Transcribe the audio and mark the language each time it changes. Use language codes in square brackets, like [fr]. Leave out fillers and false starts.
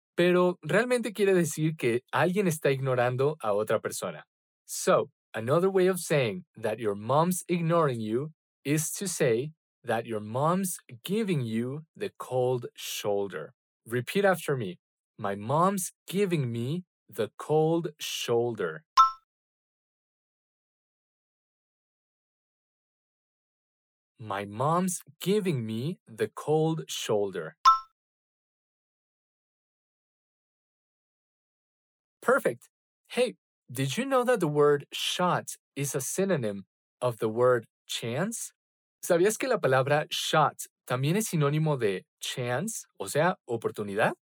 [es] Pero realmente quiere decir que alguien está ignorando a otra persona. [en] So, another way of saying that your mom's ignoring you is to say that your mom's giving you the cold shoulder. Repeat after me. My mom's giving me the cold shoulder. My mom's giving me the cold shoulder. Perfect. Hey, did you know that the word shot is a synonym of the word chance? [es] ¿Sabías que la palabra shot también es sinónimo de chance, o sea, oportunidad?